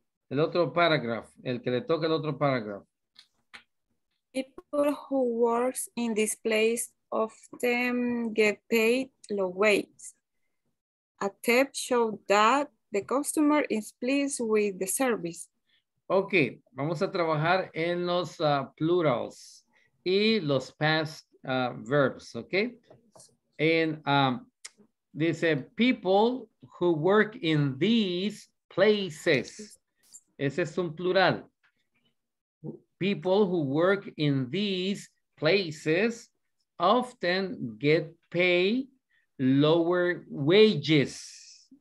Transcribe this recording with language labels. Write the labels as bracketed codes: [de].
[es] El otro paragraph, el que le toca el otro paragraph. [en] People who works in this place of them get paid low wage. A tip shows that the customer is pleased with the service. [es] Okay, vamos a trabajar en los plurals y los past verbs, okay? [en] And they say people who work in these places. [es] Ese es un plural. [en] People who work in these places often get paid lower wages.